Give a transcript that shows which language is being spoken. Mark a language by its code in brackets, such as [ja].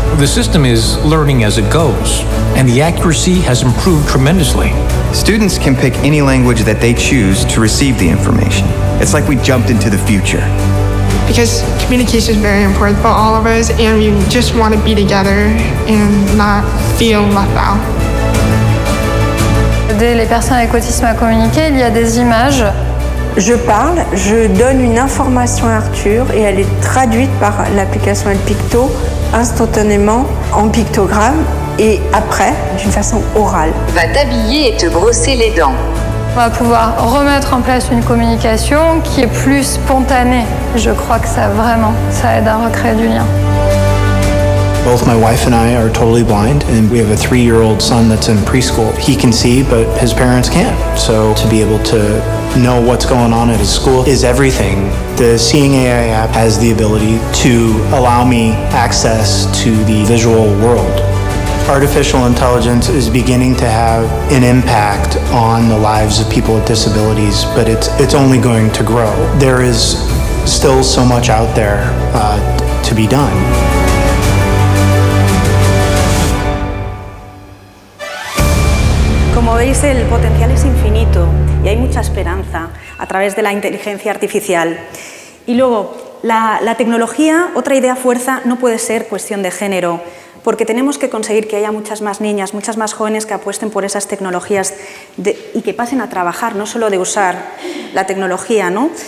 [en] The system is learning as it goes, and the accuracy has improved tremendously. Students can pick any language that they choose to receive the information. It's like we jumped into the future. Because communication is very important for all of us, and we just want to be together and not feel left out. [fr] Aider les personnes avec autisme à communiquer, il y a des images. Je parle, je donne une information à Arthur et elle est traduite par l'application El Picto instantanément en pictogramme et après d'une façon orale. Va t'habiller et te brosser les dents. On va pouvoir remettre en place une communication qui est plus spontanée. Je crois que ça vraiment, ça aide à recréer du lien. [en] Both my wife and I are totally blind, and we have a 3-year-old son that's in preschool. He can see, but his parents can't. So to be able to know what's going on at his school is everything. The Seeing AI app has the ability to allow me access to the visual world. Artificial intelligence is beginning to have an impact on the lives of people with disabilities, but it's only going to grow. There is still so much out there to be done. [es] Como veis, el potencial es infinito y hay mucha esperanza a través de la inteligencia artificial. Y luego, la tecnología, otra idea fuerza, no puede ser cuestión de género, porque tenemos que conseguir que haya muchas más niñas, muchas más jóvenes que apuesten por esas tecnologías y que pasen a trabajar, no solo de usar la tecnología, ¿no?